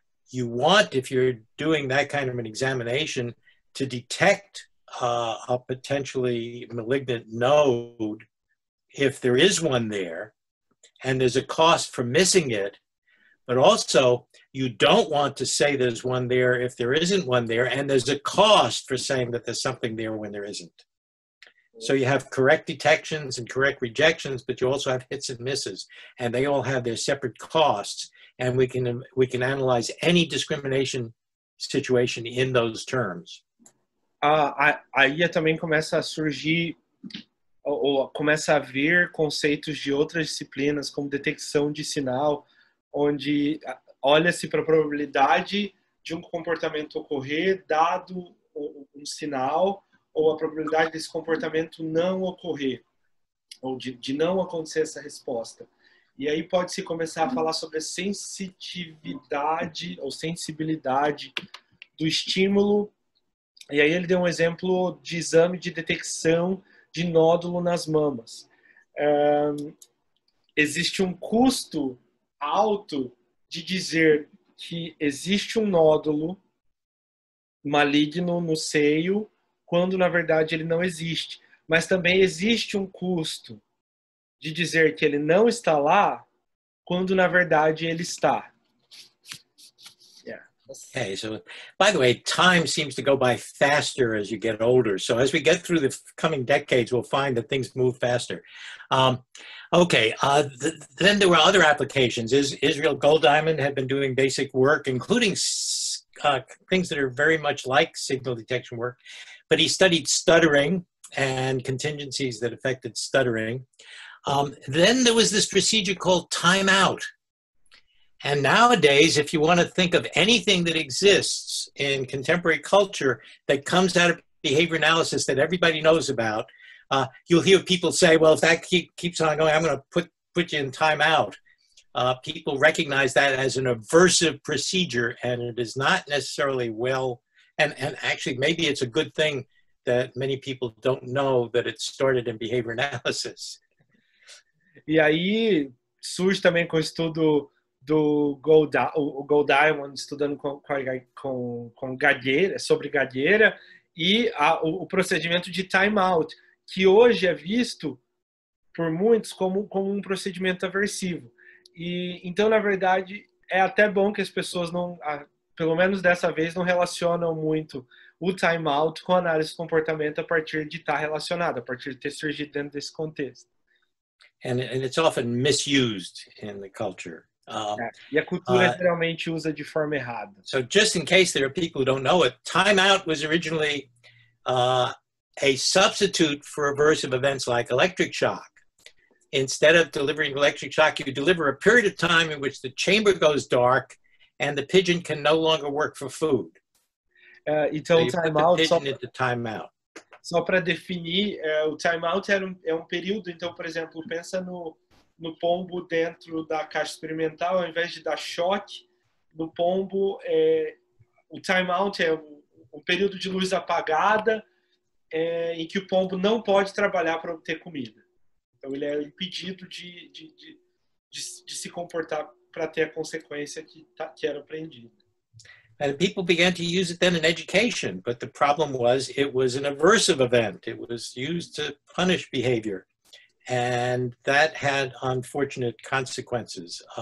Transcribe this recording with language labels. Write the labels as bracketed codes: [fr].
[en] you want, if you're doing that kind of an examination, to detect a potentially malignant node, if there is one there, and there's a cost for missing it, but also you don't want to say there's one there if there isn't one there, and there's a cost for saying that there's something there when there isn't. So you have correct detections and correct rejections, but you also have hits and misses, and they all have their separate costs, and we can analyze any discrimination situation in those terms. [pt] Aí também começa a surgir ou começa a vir conceitos de outras disciplinas, como detecção de sinal, onde olha-se para a probabilidade de um comportamento ocorrer dado um sinal, ou a probabilidade desse comportamento não ocorrer, ou de não acontecer essa resposta. E aí pode-se começar a falar sobre a sensitividade ou sensibilidade do estímulo. E aí ele deu um exemplo de exame de detecção de nódulo nas mamas. Existe um custo alto de dizer que existe um nódulo maligno no seio, quando na verdade ele não existe. Mas também existe um custo de dizer que ele não está lá, quando na verdade ele está. [en] Okay, so by the way, time seems to go by faster as you get older. So as we get through the coming decades, we'll find that things move faster. Then there were other applications. Israel Golddiamond had been doing basic work, including things that are very much like signal detection work. But he studied stuttering and contingencies that affected stuttering. Then there was this procedure called timeout. And nowadays, if you want to think of anything that exists in contemporary culture that comes out of behavior analysis that everybody knows about, you'll hear people say, well, if that keeps on going, I'm going to put you in timeout. People recognize that as an aversive procedure, and it is not necessarily well, and actually maybe it's a good thing that many people don't know that it started in behavior analysis. [pt] E aí surge também com estudo do Golddiamond estudando com gagueira, sobre gagueira, e o procedimento de timeout, que hoje é visto por muitos como um procedimento aversivo. E então, na verdade, é até bom que as pessoas não, pelo menos dessa vez, não relacionam muito o timeout com análise de comportamento a partir de estar relacionado, a partir de ter surgido dentro desse contexto. [en] And it's often misused in the culture. [pt] E a cultura geralmente usa de forma errada. [en] So just in case there are people who don't know it, timeout was originally a substitute for aversive events like electric shock. Instead of delivering electric shock, you deliver a period of time in which the chamber goes dark and the pigeon can no longer work for food. [pt] Então, [en] so you put the pigeon into timeout. [pt] só para definir, o timeout é um período, então, por exemplo, pensa no pombo dentro da caixa experimental, ao invés de dar choque no pombo, o timeout é um período de luz apagada em que o pombo não pode trabalhar para obter comida. Então, ele é impedido de se comportar para ter a consequência que era apreendida. [en] And people began to use it then in education, but the problem was it was an aversive event. It was used to punish behavior. And that had unfortunate consequences.